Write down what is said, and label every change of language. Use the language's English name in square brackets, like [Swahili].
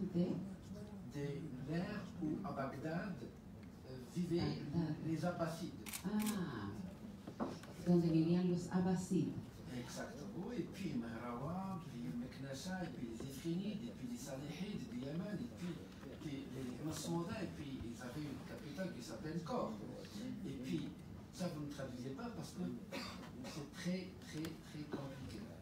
[French] de l'ère où à Bagdad vivaient les Abbasides. [Spanish] Ah, donde vivían los Abbasides. [French] Exactement. Et puis Merawab, puis Meknesa, et puis les Ifrinides, et puis les Saléhides du Yémen, et puis sondaient, et puis ils avaient une capitale qui s'appelle Kor. Et puis, ça, vous ne traduisez pas parce que c'est très, très, très compliqué.